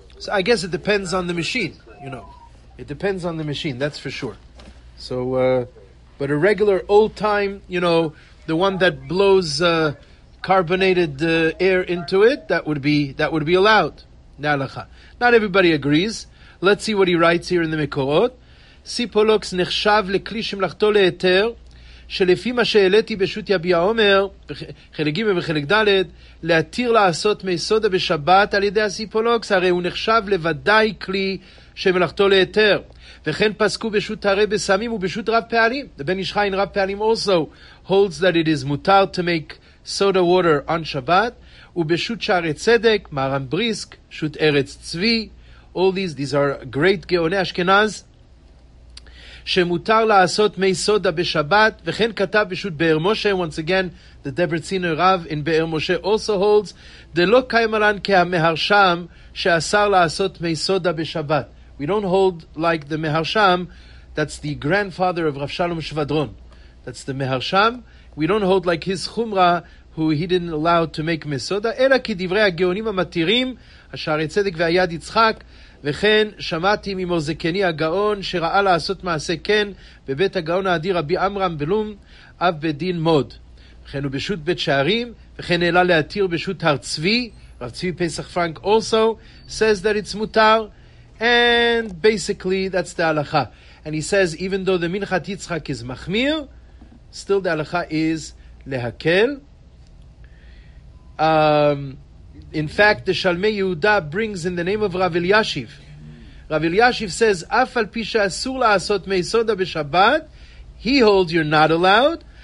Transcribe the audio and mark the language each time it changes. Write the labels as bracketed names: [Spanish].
[English] I guess it depends on the machine, you know. It depends on the machine, that's for sure. So, but a regular old time, you know, the one that blows carbonated air into it, that would be allowed. Na'alacha. Not everybody agrees. Let's see what he writes here in the Mekorot. [Hebrew] Sipolox nechshav lekli shemlachto le'eter, שלפי מה שהעליתי בשוט יביע עומר, חלק ג' וחלק ד', להתיר לעשות מיסודה בשבת על ידי הסיפולוקס, הרי הוא נחשב לוודאי כלי שמלאכתו להיתר. וכן פסקו בשוט הרי בסמים ובשוט רב פעלים. [English] The Ben Ishchai in רב פעלים also holds that it is mutar to make soda water on Shabbat. [Hebrew] ובשוט שערי צדק, מרן בריסק, שוט ארץ צבי. [English] All these are great גאוני אשכנז. [Hebrew] שמותר לעשות מי סודה בשבת, וכן כתב בשוט באר משה, [English] once again, the [Hebrew] דברצינו רב in באר משה [English] also holds, [Hebrew] דלא קיימלן כהמהרשם שאסר לעשות מי סודה בשבת. [English] We don't hold like the מהרשם, that's the grandfather of רב שלום שבדרון. That's the מהרשם. We don't hold like his חומרה, who he didn't allow to make [Hebrew] מי סודה, אלא כדברי הגאונים המתירים, השערי צדק והיד יצחק, וכן שמעתי ממוזקני הגאון שראה לעשות מעשה כן בבית הגאון האדיר רבי אמרם בלום אב בדין מוד. וכן הוא בשוט בית שערים, וכן העלה להתיר בשוט הר צבי, רב צבי פסח פרנק [English] also says that it's mutar, and basically that's the [Hebrew] הלכה. [English] And he says even though the מנחת יצחק is מחמיר, still the הלכה is להקל. In fact, the Shalmei Yehuda brings in the name of Rav Eliashiv. Rav Eliashiv says, [Hebrew] "Af al pi she'asur la'asot meisoda b'Shabbat, [English] he holds you're not allowed.